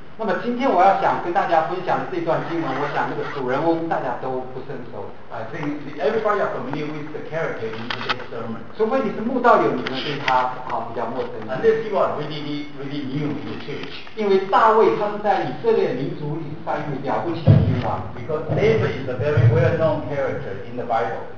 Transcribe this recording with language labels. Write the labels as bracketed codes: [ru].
[zh] 那么今天我要想跟大家分享的这段经文，我想那个主人翁大家都不甚熟。 [en] I think everybody are familiar with the character in today's sermon. [zh] 除非你是慕道友，你们对他比较陌生。 [en] Unless you are really new in the church. [zh] 因为大卫他是在以色列民族里算是了不起。 [en] Because David is a very well-known character in the Bible.